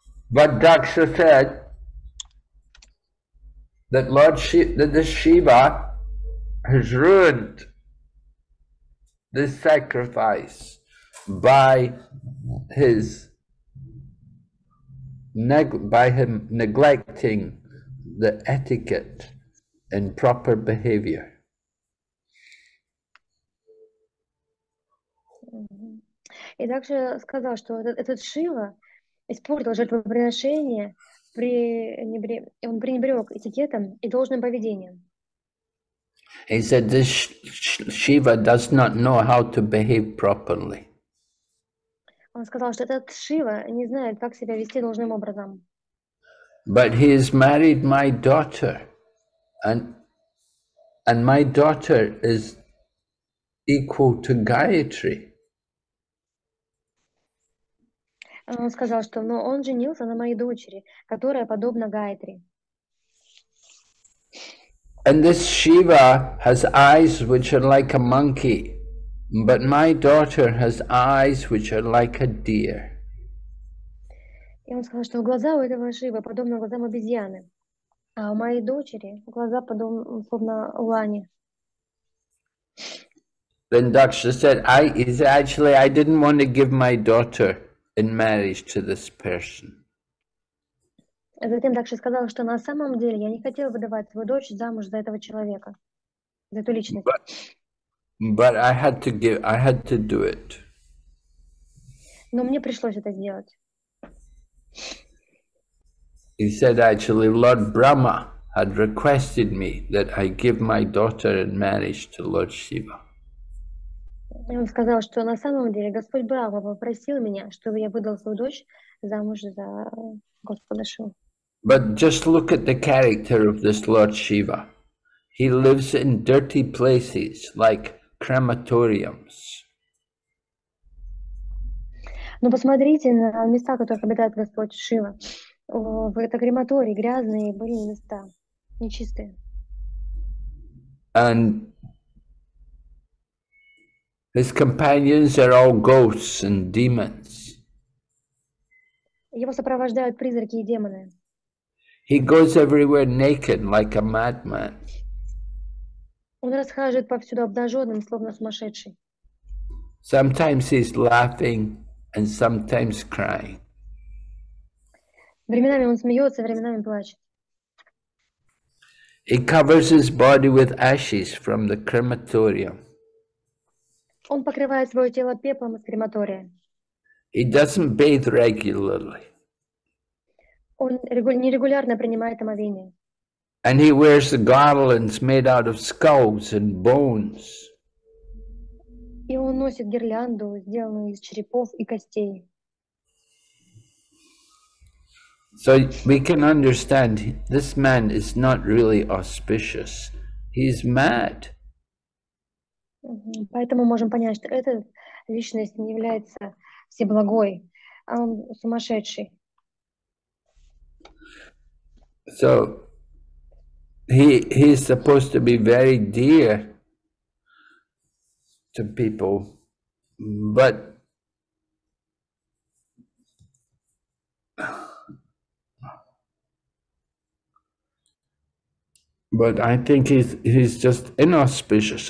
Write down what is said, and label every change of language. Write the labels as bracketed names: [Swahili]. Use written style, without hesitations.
[English] But Daksha said that Shiva has ruined this sacrifice by his neglecting the etiquette and proper behavior. [Russian] И также сказал, что этот Шива испортил жертвоприношение, он пренебрег этикетом и должным поведением. [English] He said this Shiva does not know how to behave properly. [Russian] Он сказал, что этот Шива не знает, как себя вести должным образом. [English] But he has married my daughter, and my daughter is equal to Gayatri. [Russian] Он сказал, что но он женился на моей дочери, которая подобна Гайатри. [English] And this Shiva has eyes which are like a monkey. But my daughter has eyes which are like a deer. [Russian] И он сказал, что глаза у этого Шивы подобны глазам обезьяны, а у моей дочери глаза подобны словно лани. [English] Then Daksha said, I didn't want to give my daughter in marriage to this person. [Russian] Затем также сказала, что на самом деле я не хотела выдавать свою дочь замуж за этого человека, за эту личность. [English] But I had to give, I had to do it. [Russian] Но мне пришлось это сделать. [English] He said, actually, Lord Brahma had requested me that I give my daughter in marriage to Lord Shiva. [Russian] И он сказал, что на самом деле Господь Брахма попросил меня, чтобы я выдал свою дочь замуж за Господа Шиву. [English] But just look at the character of this Lord Shiva. He lives in dirty places like crematoriums. [Russian] Ну посмотрите на места, в которых обитает Господь Шива. Это крематории, грязные, блин, места, нечистые. [English] And his companions are all ghosts and demons. [Russian] Его сопровождают призраки и демоны. [English] He goes everywhere naked, like a madman. [Russian] Он расхаживает повсюду обнаженным, словно сумасшедший. [English] Sometimes he's laughing and sometimes crying. [Russian] Временами он смеется, временами плачет. [English] He covers his body with ashes from the crematorium. [Russian] Он покрывает свое тело пеплом из крематория. [English] He doesn't bathe regularly. [Russian] Он нерегулярно принимает омовение. [English] And he wears garlands made out of skulls and bones. [Russian] И он носит гирлянду, сделанную из черепов и костей. [English] So we can understand this man is not really auspicious. He's mad. [Russian] Поэтому можем понять, что эта личность не является всеблагой, а он сумасшедший. [English] So he is supposed to be very dear to people, but I think he's just inauspicious.